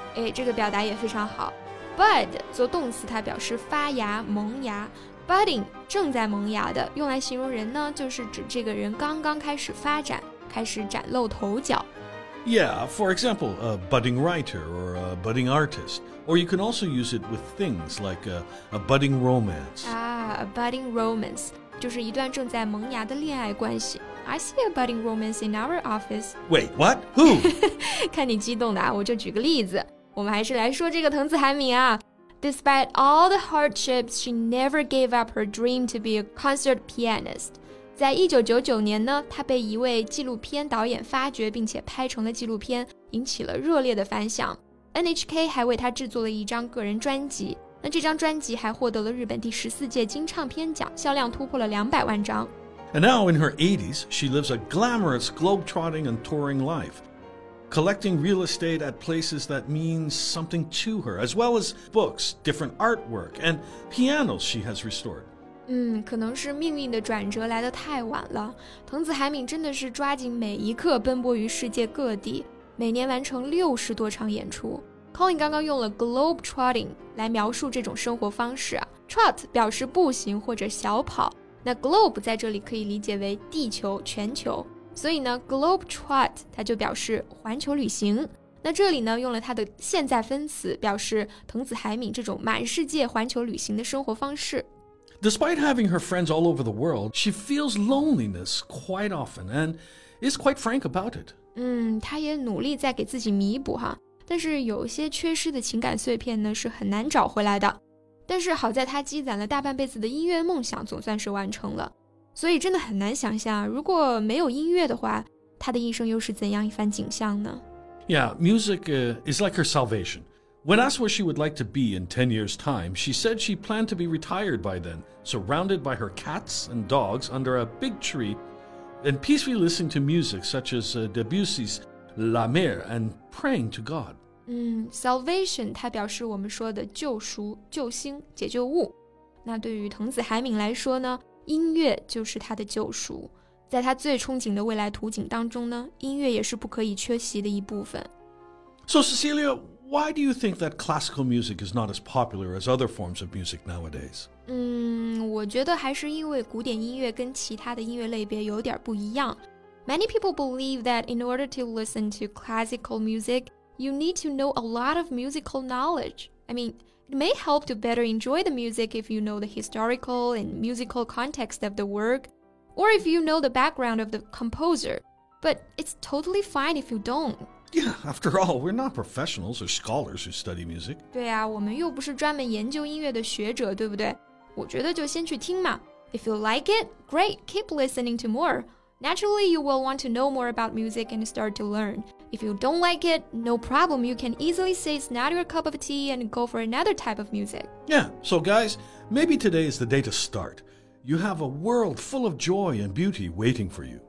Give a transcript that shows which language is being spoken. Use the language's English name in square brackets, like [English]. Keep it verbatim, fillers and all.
[Chinese] 哎，这个表达也非常好。 Bud 做动词，它表示发芽、萌芽。Budding 正在萌芽的，用来形容人呢，就是指这个人刚刚开始发展，开始崭露头角。 [English] Yeah, for example, a budding writer or a budding artist. Or you can also use it with things like a, a budding romance. Ah, a budding romance. [Chinese] 就是一段正在萌芽的恋爱关系。 [English] I see a budding romance in our office. Wait, what? Who? [Chinese] 看你激动的啊，我就举个例子。我们还是来说这个藤子海敏啊。 [English] Despite all the hardships, she never gave up her dream to be a concert pianist. [Chinese] 在一九九九年呢，她被一位纪录片导演发掘并且拍成了纪录片，引起了热烈的反响。 N H K 还为她制作了一张个人专辑，那这张专辑还获得了日本第十四届金唱片奖，销量突破了两百万张。 [English] And now in her eighties, she lives a glamorous globe-trotting and touring life. Collecting real estate at places that means something to her, as well as books, different artwork, and pianos she has restored. [Chinese] 嗯，可能是命运的转折来得太晚了。藤子海敏真的是抓紧每一刻，奔波于世界各地，每年完成六十多场演出。 Colin 刚刚用了 globe trotting 来描述这种生活方式啊。 Trot 表示步行或者小跑，那 globe 在这里可以理解为地球、全球。所以呢 globetrot 它就表示环球旅行，那这里呢用了它的现在分词，表示藤子海敏这种满世界环球旅行的生活方式。 [English] Despite having her friends all over the world, she feels loneliness quite often and is quite frank about it. [Chinese] 嗯，她也努力在给自己弥补哈，但是有些缺失的情感碎片呢是很难找回来的。但是好在她积攒了大半辈子的音乐梦想总算是完成了。所以真的很难想象，如果没有音乐的话，她的一生又是怎样一番景象呢？ [English] Yeah, music, uh, is like her salvation. When asked where she would like to be in ten years' time, she said she planned to be retired by then, surrounded by her cats and dogs under a big tree, and peacefully listening to music such as uh, Debussy's La Mer and praying to God. [Chinese] 嗯 salvation 它表示我们说的救赎、救星、解救物。那对于藤子海敏来说呢？音乐就是他的救赎，在他最憧憬的未来图景当中呢，音乐也是不可以缺席的一部分。 [English] So Cecilia, why do you think that classical music is not as popular as other forms of music nowadays? [Chinese] 嗯，我觉得还是因为古典音乐跟其他的音乐类别有点不一样。 [English] Many people believe that in order to listen to classical music, you need to know a lot of musical knowledge. I mean... It may help to better enjoy the music if you know the historical and musical context of the work, or if you know the background of the composer. But it's totally fine if you don't. Yeah, after all, we're not professionals or scholars who study music. [Chinese] 对啊，我们又不是专门研究音乐的学者，对不对？我觉得就先去听嘛。 [English] If you like it, great, keep listening to more. Naturally, you will want to know more about music and start to learn. If you don't like it, no problem. You can easily say it's not your cup of tea and go for another type of music. Yeah, so guys, maybe today is the day to start. You have a world full of joy and beauty waiting for you.